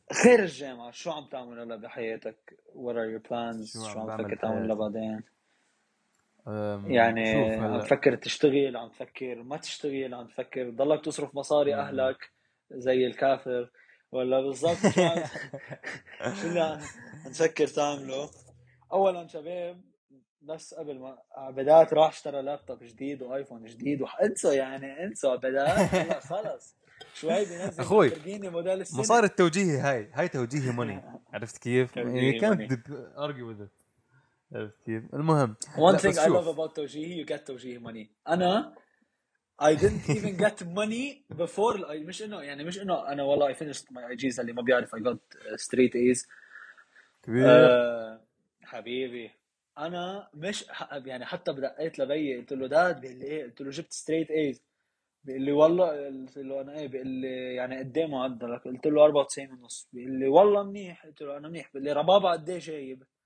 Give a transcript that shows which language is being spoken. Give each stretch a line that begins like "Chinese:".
Arabic: خير الجامعة شو عم تعمل هلا بحياتك
English: what are your plans
Arabic: شو عم تفكر تعمل لبعدين يعني عم تفكر تشتغل عم تفكر ما تشتغل عم تفكر ضلك تصرف مصاري أهلك زي الكافر ولا بالضبط شو اللي هنفكر تعمله؟ اولا شباب بس قبل ما عبدات راح اشترى لابتوب جديد وايفون جديد وانسى يعني انسى عبدات خلص شوي بينزل اخوي ترجيني موديل السنة مصاري التوجيهي هاي توجيهي موني عرفت كيف؟
English: you can't argue with it
Arabic: عرفت كيف؟ المهم
English: one thing I love about توجيهي you get توجيهي money انا I didn't even get money before
Arabic: مش انه يعني مش انه انا والله
English: I finished my IGs
Arabic: اللي ما بيعرف
English: I got straight A's
Arabic: كبير حبيبي انا مش يعني حتى بدقيت لبي قلت له داد بيقول لي قلت له جبت
English: straight A's
Arabic: بيقول لي والله قلت له انا ايه بيقول لي يعني قديمه معدلك قلت له 94.5 بيقول لي والله منيح قلت له انا منيح بيقول لي ربابة قديش جايب